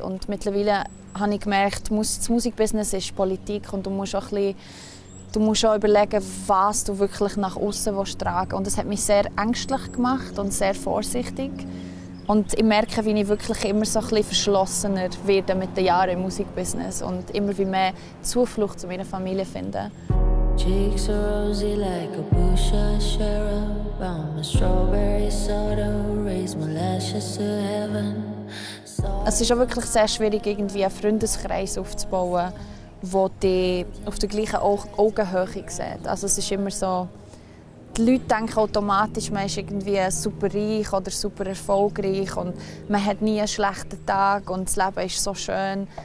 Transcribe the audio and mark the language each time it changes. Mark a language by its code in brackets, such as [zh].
[de] Und mittlerweile habe ich gemerkt, das Musikbusiness ist Politik und du musst auch überlegen, was du wirklich nach außen tragen willst. Und das hat mich sehr ängstlich gemacht und sehr vorsichtig. Und ich merke, wie ich wirklich immer so ein bisschen verschlossener werde mit den Jahren im Musikbusiness und immer wie mehr Zuflucht zu meiner Familie finde. [en] Cheeks are rosy like a bush of syrup. I'm a strawberry soda, raise my lashes to heaven. [de] Es ist auch wirklich sehr schwierig, irgendwie einen Freundeskreis aufzubauen, der dich auf der gleichen Augenhöhe sieht. Also es ist immer so, die Leute denken automatisch, man ist irgendwie super reich oder super erfolgreich und man hat nie einen schlechten Tag und das Leben ist so schön.